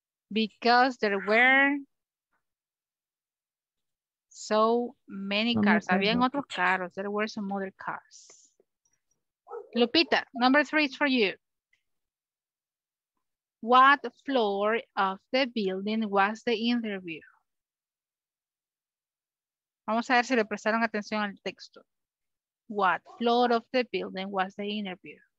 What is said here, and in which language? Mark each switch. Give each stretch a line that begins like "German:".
English: Because there were so many cars.
Spanish: Habían otros carros.
English: There were some other cars. Lupita, number three is for you. What floor of the building was the interview?
Spanish: Vamos a ver si le prestaron atención al texto.
English: What floor of the building was the interview?